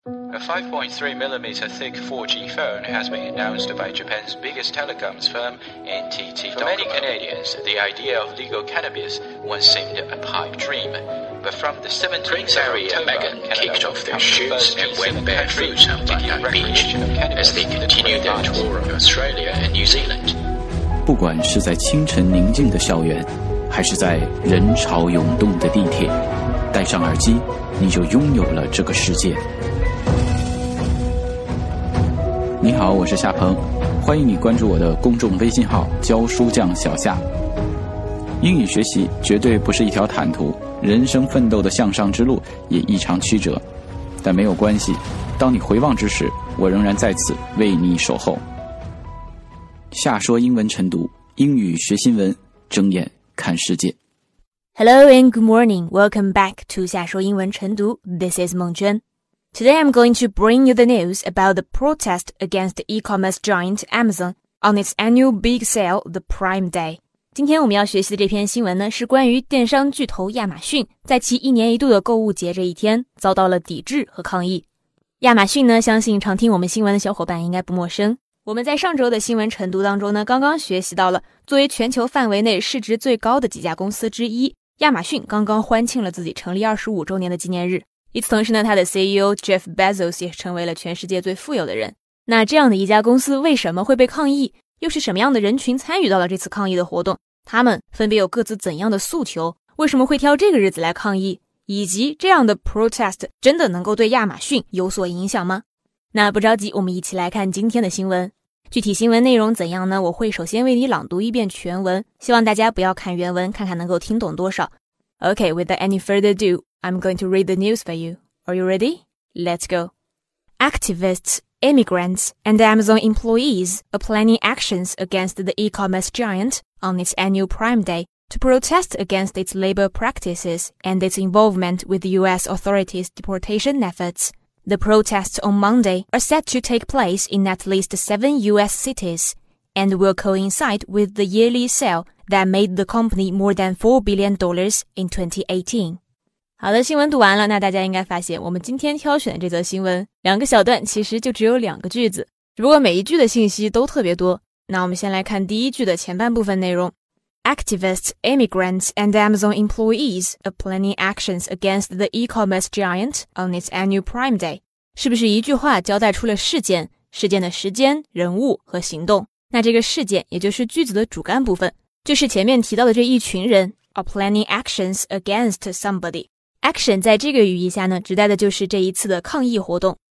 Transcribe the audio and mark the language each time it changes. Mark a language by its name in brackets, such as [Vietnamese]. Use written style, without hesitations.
[English] A 5.3mm thick 4G phone has been announced by Japan's biggest telecoms firm, NTT Docomo. For many Canadians, the idea of legal cannabis once seemed a pipe dream. But from the 17th of October, Meghan kicked off their shoots and went barefoot on Bondi Beach as they continued their tour of Australia and New Zealand. [Chinese] 不管是在清晨宁静的校园，还是在人潮涌动的地铁，戴上耳机，你就拥有了这个世界。你好，我是夏鹏，欢迎你关注我的公众微信号教书匠小夏。英语学习绝对不是一条坦途，人生奋斗的向上之路也异常曲折，但没有关系，当你回望之时，我仍然在此为你守候。夏说英文晨读，英语学新闻，睁眼看世界。 [English] Hello and good morning, welcome back to 夏说英文晨读， This is 孟娟。 Today I'm going to bring you the news about the protest against e-commerce giant Amazon on its annual big sale, the Prime Day. [Chinese] 今天我们要学习的这篇新闻呢，是关于电商巨头亚马逊在其一年一度的购物节这一天遭到了抵制和抗议。亚马逊呢，相信常听我们新闻的小伙伴应该不陌生。我们在上周的新闻晨读当中呢，刚刚学习到了作为全球范围内市值最高的几家公司之一，亚马逊刚刚欢庆了自己成立25周年的纪念日。与此同时呢，他的 CEO Jeff Bezos 也成为了全世界最富有的人。那这样的一家公司为什么会被抗议？又是什么样的人群参与到了这次抗议的活动？他们分别有各自怎样的诉求？为什么会挑这个日子来抗议？以及这样的 protest 真的能够对亚马逊有所影响吗？那不着急，我们一起来看今天的新闻。具体新闻内容怎样呢？我会首先为你朗读一遍全文，希望大家不要看原文，看看能够听懂多少。 [English] Okay, without any further ado,I'm going to read the news for you. Are you ready? Let's go. Activists, immigrants, and Amazon employees are planning actions against the e-commerce giant on its annual Prime Day to protest against its labor practices and its involvement with U.S. authorities' deportation efforts. The protests on Monday are set to take place in at least 7 U.S. cities and will coincide with the yearly sale that made the company more than $4 billion in 2018. [Chinese] 好的，新闻读完了，那大家应该发现我们今天挑选的这则新闻两个小段其实就只有两个句子，只不过每一句的信息都特别多。那我们先来看第一句的前半部分内容。 [English] Activists, immigrants, and Amazon employees are planning actions against the e-commerce giant on its annual Prime Day. [Chinese] 是不是一句话交代出了事件，事件的时间、人物和行动？那这个事件也就是句子的主干部分，就是前面提到的这一群人 [English] are planning actions against somebody。 [Chinese] Action 在这个语义下呢，指代的就是这一次的抗议活动。